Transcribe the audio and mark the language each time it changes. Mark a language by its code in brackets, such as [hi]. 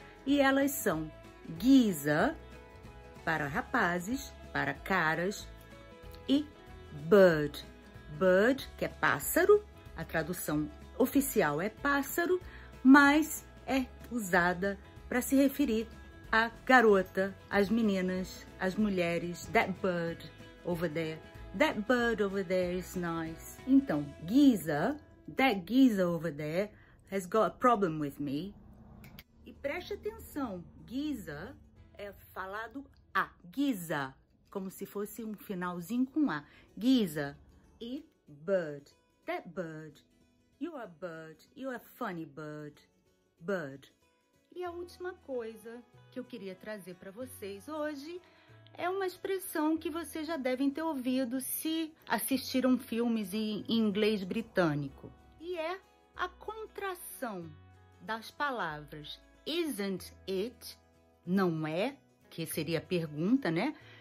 [pt] E elas são geezer para rapazes, para caras, e bird. Bird, que é pássaro, a tradução oficial é pássaro, mas é usada para se referir à garota, às meninas, às mulheres. [en] That bird over there is nice. Então, geezer, that geezer over there has got a problem with me. [pt] E preste atenção, geezer é falado a, geezer, como se fosse um finalzinho com a, geezer. [en] E bird, that bird, you are bird, you are funny bird. Bird. [pt] E a última coisa que eu queria trazer para vocês hoje é uma expressão que vocês já devem ter ouvido se assistiram filmes em inglês britânico. E é a contração das palavras [en] isn't it, [pt] não é, que seria a pergunta, né?